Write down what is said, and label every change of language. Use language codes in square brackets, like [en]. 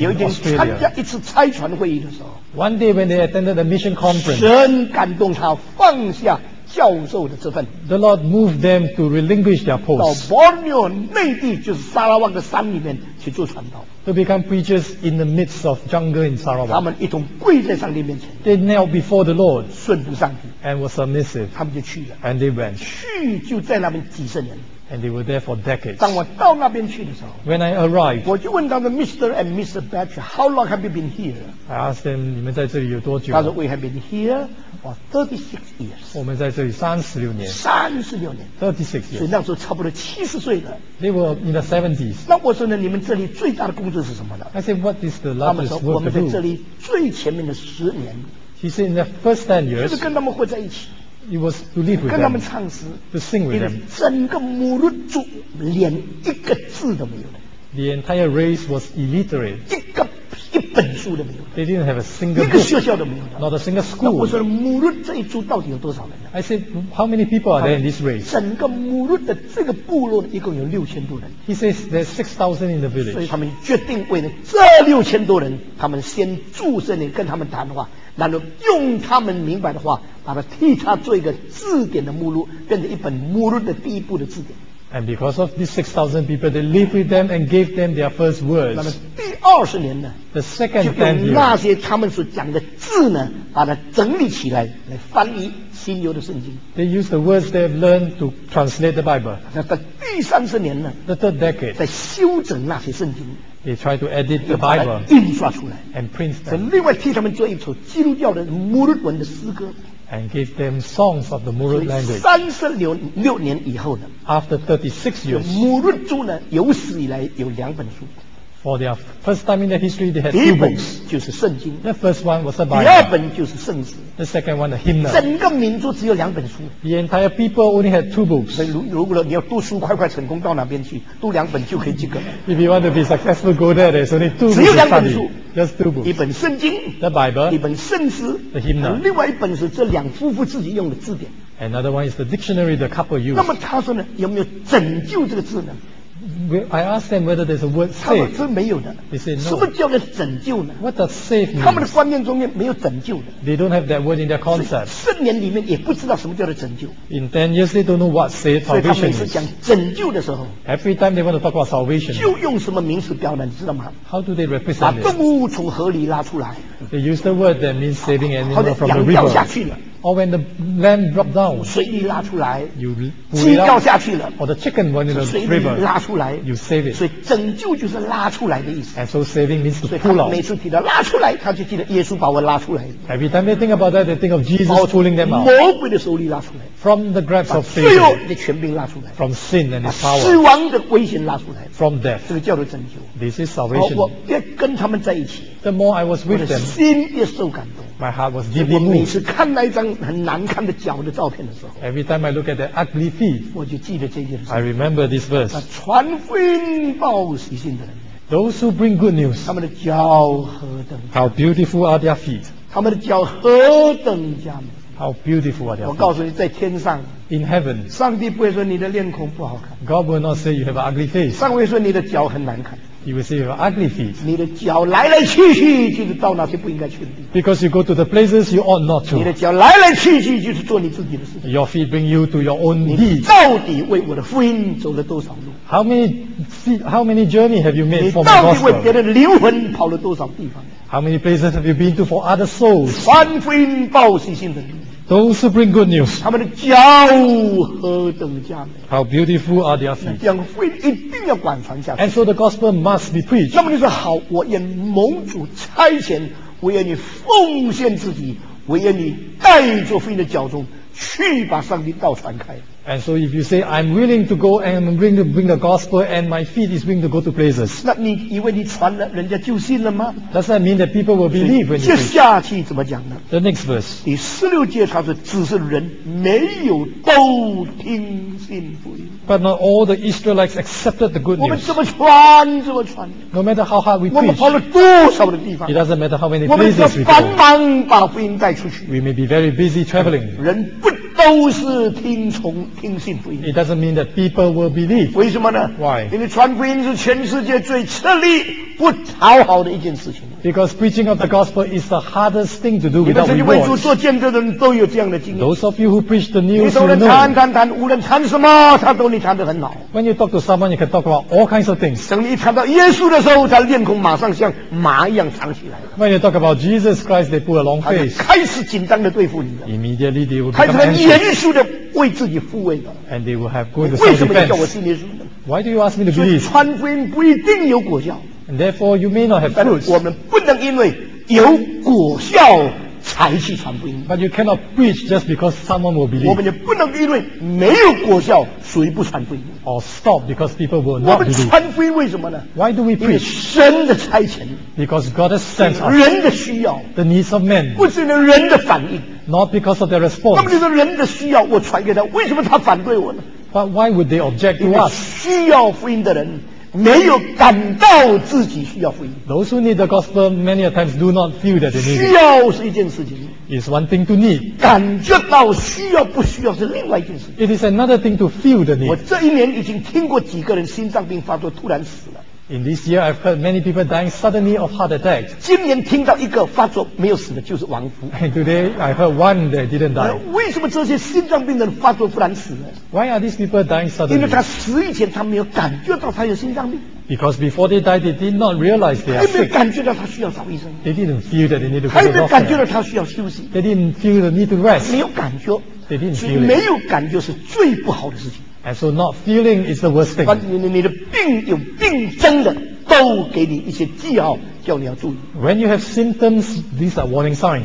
[zh] 有一天参加一次差传会议的时候。 [en] One day when they attended a mission conference. [zh] 神感动他放下教授的这份。 [en] The Lord moved them to relinquish their post. [zh] 到 Borneo 内地，就是沙拉旺的山里面去做传道。 [en] To become preachers in the midst of jungle in Sarawak. [zh] 他们一同跪在上帝面前。 [en] They knelt before the Lord. [zh] 顺服上帝。 [en] And were submissive. [zh] 他们就去了。 [en] And they went. [zh] 去就在那边几十年。 [en] And they were there for decades. [zh] 当我到那边去的时候 [en] When I arrived, [zh] 我就问他们 Mr. and Mrs. [en] Batchelor, How long have you been here? I asked them, [zh] 你们在这里有多久他说 [en] We have been here for 36 years. [zh] 我们在这里36年 [en] 36 years. [zh] 所以那时候差不多70岁了 [en] They were in the 70s. [zh] 那我说呢你们这里最大的工作是什么呢 [en] I said, What is the largest work to do? [zh] 我们在这里最前面的十年 [en] He said, In the first 10 years, [zh] 就是跟他们混在一起 [en] It was to live with them, [zh] 跟他们唱诗 [en] to sing with them. [zh] 整个母乳族连一个字都没有的 [en] The entire race was illiterate. [zh] 一本书都没有的 [en] They didn't have a single [zh] book. 一个学校都没有的 [en] Not a single school. [zh] 我说母乳这一族到底有多少人 [en] I said, how many people are there in this race? [zh] 整个母乳的这个部落一共有6000多人 [en] He says there's 6000 in the village. [zh] 所以他们决定为了这6000多人他们先住这里跟他们谈话然后用他们明白的话把它替他做一个字典的目录变成一本目录的第一步的字典 [en] and because of these 6,000 people they live with them and gave them their first words [zh] 那么第20年呢 [en] the second [zh] 就用那些他们所讲的字呢把它整理起来来翻译新约的圣经 [en] they use the words they have learned to translate the Bible [zh] 那到第30年呢 [en] the third decade [zh] 在修整那些圣经 [en] They try to edit the Bible [zh] 印刷出来 [en] and print them. [zh] 所以另外替他们做一首基督教的母乳文的诗歌 [en] and give them songs of the Murut language. [zh] 三十六年以后呢 [en] after 36 years, [zh] 母乳族呢有史以来有两本书 [en] for their first time in their history, they had two books. [zh] 第一本就是圣经 [en] the first one was the Bible. [zh] 第二本就是圣诗 [en] the second one the hymn. [zh] 整个民族只有两本书 [en] the entire people only had two books. [zh] 所以如果你要读书快快成功到哪边去读两本就可以及格 [en] if you want to be successful, go there, there's only two books [zh] 只有两本书 [en] just two books. [zh] 一本圣经 [en] the Bible. [zh] 一本圣诗 [en] the hymn. [zh] 另外一本是这两夫妇自己用的字典 [en] another one is the dictionary the couple used. [zh] 那么他说呢有没有拯救这个字呢 [en] I asked them whether there's a word save. [zh] 他们是没有的。 [en] They said no. [zh] 什么叫做拯救呢 [en] ？What does save mean? [zh] 他们的观念中间没有拯救的。 [en] They don't have that word in their concept. [zh] 十年里面也不知道什么叫做拯救。 [en] In 10 years, they don't know what save salvation is. [zh] 所以他们每次讲拯救的时候 [en] ，Every time they want to talk about salvation, [zh] 就用什么名词表达，你知道吗 [en] ？How do they represent it? [zh] 把动物从河里拉出来。 [en] They use the word that means saving animal from the river. [zh] 或者羊掉下去了。 [en] Or when the lamb dropped down, [zh] 水里拉出来 [en] you [zh] 鸡掉下去了 [en] or the chicken went in the river, [zh] 水里拉出来 [en] you save it. [zh] 所以拯救就是拉出来的意思 [en] And so saving means to pull out. [zh] 所以他每次提到拉出来他就记得耶稣把我拉出来 [en] Every time they think about that, they think of Jesus pulling them out. [zh] 魔鬼的手里拉出来 [en] From the grasp of Satan. [zh] 把罪恶的权柄拉出来 [en] From sin and his power. [zh] 死亡的危险拉出来 [en] From death. [zh] 这个叫做拯救 [en] This is salvation. [zh] 我越跟他们在一起 [en] The more I was with them, [zh] 我的心越受感动 [en] My heart was deeply moved. [zh] 我每次看那一张很难看的脚的照片的时候 [en] Every time I look at the ugly feet [zh] 我就记得这件事 [en] I remember this verse [zh] 传福音报喜信的人 [en] Those who bring good news [zh] 他们的脚何等 [en] How beautiful are their feet [zh] 他们的脚何等佳美 [en] How beautiful are their feet [zh] 我告诉你在天上 [en] In heaven [zh] 上帝不会说你的脸孔不好看 [en] God will not say you have an ugly face [zh] 上帝会说你的脚很难看 [en] He will say you have ugly feet [zh] 你的脚来来去去就是到那些不应该去的 [en] Because you go to the places you ought not to. [zh] 你的脚来来去去就是做你自己的事情。 [en] Your feet bring you to your own deeds. [zh] 你到底为我的福音走了多少路 [en] ？How many journey have you made for my gospel? [zh] 你到底为别人的灵魂跑了多少地方 [en] ？How many places have you been to for other souls? [zh] 传福音报喜信的人。 [en] Those who bring good news. [zh] 他们的脚何等佳美。 [en] How beautiful are their feet. [zh] 这样福音一定要广传下去。 [en] And so the gospel must be preached. [zh] 那么你说好，我愿蒙主差遣。我愿你奉献自己，我愿你带着福音的脚中去把上帝道传开。 [en] And so if you say I'm willing to go and I'm willing to bring the gospel and my feet is willing to go to places, [zh] 那你以为你传了人家就信了吗 [en] ？Does that mean that people will believe when you preach? [zh] 接下去怎么讲呢 [en] ？The next verse. [zh] 第十六节他说，只是人没有都听信福音。 [en] But not all the Israelites accepted the good news. [zh] 我们怎么传？怎么传 [en] ？No matter how hard we preach. [zh] 我们跑了多少的地方 [en] ？It doesn't matter how many places we go. [zh] 我们要帮忙把福音带出去。 [en] We may be very busy traveling. [zh] 人不。都是听从听信福音。 [en] It doesn't mean that people will believe. [zh] 为什么呢 [en] ？Why？ [zh] 因为传福音是全世界最吃力、不讨好的一件事情。 [en] Because preaching of the gospel is the hardest thing to do without rewards. [zh] 你们这些为主做见证的人都有这样的经验。 [en] Those of you who preach the news, [zh] 你都能谈谈谈，无论谈什么，他都能谈得很好。 [en] When you talk to someone, you can talk about all kinds of things. [zh] 等你谈到耶稣的时候，他面孔马上像马一样藏起来了。 [en] When you talk about Jesus Christ, they put a long face. [zh] 开始紧张的对付你了。 [en] Immediately they will. [zh] 开始很严肃的为自己护卫了。 [en] And they will have good [zh] self-defense. 为什么叫我信耶稣呢？ [en] Why do you ask me to believe? [zh] 传福音不一定有果效。 [en] And therefore, you may not have fruits. [zh] 我们不能因为有果效才去传福音。 [en] But you cannot preach just because someone will believe. [zh] 我们也不能因为没有果效，谁不传福音。 [en] Or stop because people will not believe. [zh] 我们传福音为什么呢？ [en] Why do we preach? [zh] 因为神的差遣。 [en] Because God has sent us. [zh] 人的需要。 [en] The needs of men. [zh] 不是人的反应。 [en] Not because of their response. [zh] 那么就是人的需要，我传给他，为什么他反对我呢？ [en] But why would they object to us? [zh] 需要福音的人没有感到自己需要福音。 [en] Those who need the gospel many a times do not feel that they need it. [zh] 需要是一件事情。 [en] It's one thing to need. [zh] 感觉到需要不需要是另外一件事情。 [en] It is another thing to feel the need. [zh] 我这一年已经听过几个人心脏病发作突然死了。 [en] In this year, I've heard many people dying suddenly of heart attack. [zh] 今年听到一个发作没有死的，就是王福。 [en] And today, I heard one that didn't die. [zh] 为什么这些心脏病的人发作突然死呢？ [en] Why are these people dying suddenly? [zh] 因为他死以前他没有感觉到他有心脏病。 [en] Because before they died, they did not realize they are sick. [zh] 还没感觉到他需要找医生。 [en] They didn't feel that they need to go to the doctor. [zh] 还没感觉到他需要休息。 [en] They didn't feel the need to rest. [zh] 没有感觉。 [en] They didn't feel it. [zh] 所以没有感觉是最不好的事情。 [en] And so not feeling is the worst thing. [zh] 你的病有病症的都给你一些记号叫你要注意。 [en] When you have symptoms, these are warning signs.